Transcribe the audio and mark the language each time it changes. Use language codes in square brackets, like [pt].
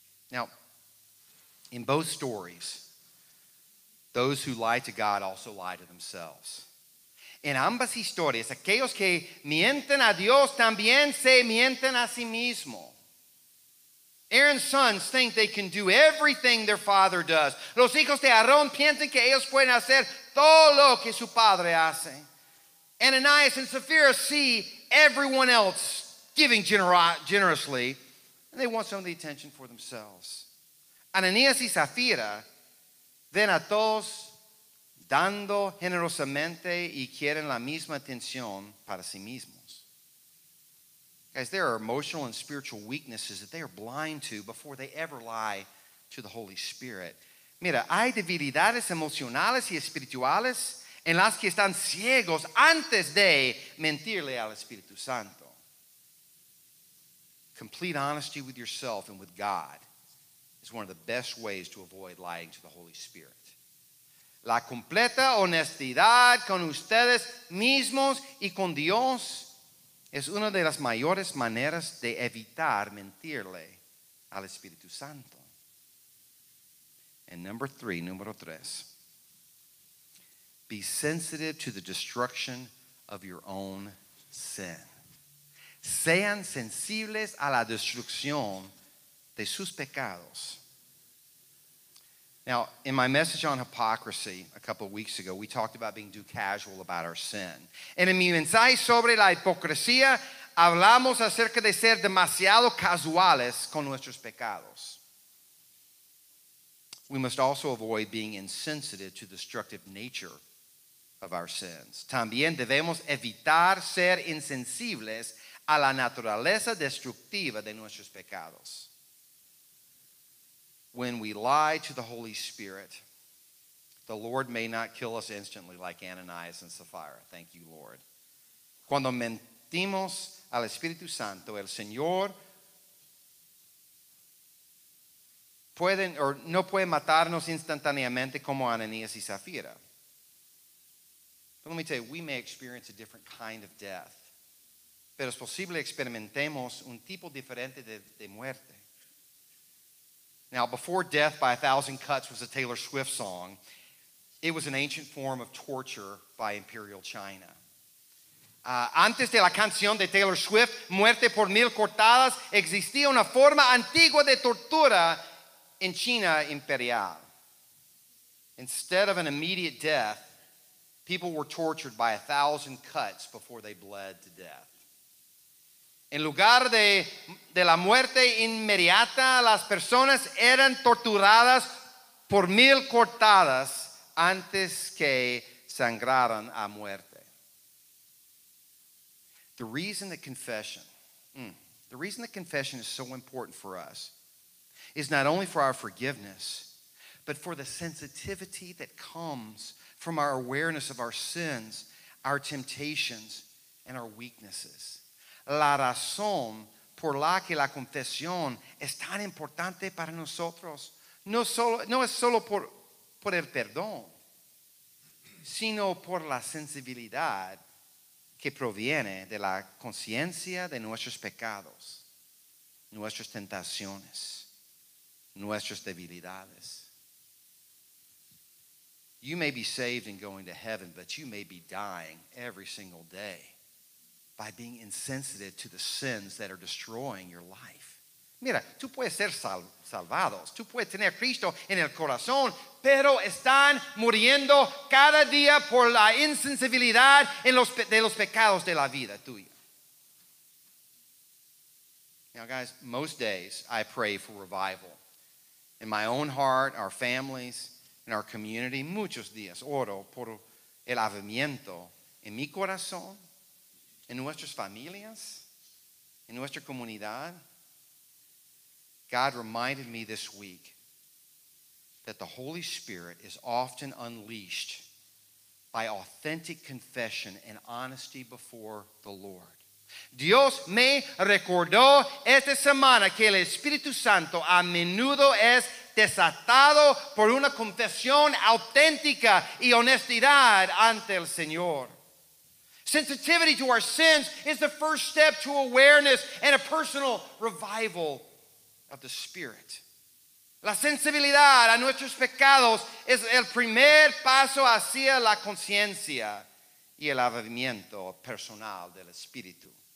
[en] Now, in both stories, those who lie to God also lie to themselves. [es] En ambas historias, aquellos que mienten a Dios también se mienten a sí mismos. [en] Aaron's sons think they can do everything their father does. [es] Los hijos de Aarón piensan que ellos pueden hacer todo lo que su padre hace. [en] Ananias and Sapphira see everyone else giving generously, and they want some of the attention for themselves. [es] Ananias y Sapphira ven a todos dando generosamente y quieren la misma atención para sí mismos. [en] Guys, there are emotional and spiritual weaknesses that they are blind to before they ever lie to the Holy Spirit. [es] Mira, hay debilidades emocionales y espirituales en las que están ciegos antes de mentirle al Espíritu Santo. [en] Complete honesty with yourself and with God is one of the best ways to avoid lying to the Holy Spirit. [es] La completa honestidad con ustedes mismos y con Dios es una de las mayores maneras de evitar mentirle al Espíritu Santo. [en] And number three, [es] número tres. [en] Be sensitive to the destruction of your own sin. [es] Sean sensibles a la destrucción de sus pecados. [en] Now, in my message on hypocrisy a couple of weeks ago, we talked about being too casual about our sin. [es] En mi mensaje sobre la hipocresía, hablamos acerca de ser demasiado casuales con nuestros pecados. [en] We must also avoid being insensitive to the destructive nature of our sins. [es] También debemos evitar ser insensibles a la naturaleza destructiva de nuestros pecados. [en] When we lie to the Holy Spirit, the Lord may not kill us instantly like Ananias and Sapphira. Thank you, Lord. [es] Cuando mentimos al Espíritu Santo, el Señor pueden o no puede matarnos instantáneamente como Ananías y Sapphira. [en] But let me tell you, we may experience a different kind of death. [es] Pero es posible experimentemos un tipo diferente de muerte. [en] Now, before death by a thousand cuts was a Taylor Swift song, it was an ancient form of torture by Imperial China. [es] Antes de la canción de Taylor Swift, Muerte por Mil Cortadas, existía una forma antigua de tortura en China imperial. [en] Instead of an immediate death, people were tortured by a thousand cuts before they bled to death. [es] En lugar de la muerte inmediata, las personas eran torturadas por mil cortadas antes que sangraran a muerte. [en] The reason that confession is so important for us is not only for our forgiveness, but for the sensitivity that comes from our awareness of our sins, our temptations, and our weaknesses. [es] La razón por la que la confesión es tan importante para nosotros no es solo por el perdón, sino por la sensibilidad que proviene de la conciencia de nuestros pecados, nuestras tentaciones, nuestras debilidades. [en] You may be saved and going to heaven, but you may be dying every single day by being insensitive to the sins that are destroying your life. [es] Mira, tú puedes ser salvado. Tú puedes tener Cristo en el corazón, pero están muriendo cada día por la insensibilidad de los pecados de la vida tuya. [en] Now, guys, most days I pray for revival in my own heart, our families, in our community. [es] Muchos días oro por el avivamiento en mi corazón, en nuestras familias, en nuestra comunidad. [en] God reminded me this week that the Holy Spirit is often unleashed by authentic confession and honesty before the Lord. [es] Dios me recordó esta semana que el Espíritu Santo a menudo es desatado por una confesión auténtica y honestidad ante el Señor. [en] Sensitivity to our sins is the first step to awareness and a personal revival of the Spirit. [es] La sensibilidad a nuestros pecados es el primer paso hacia la conciencia y el avivamiento personal del Espíritu.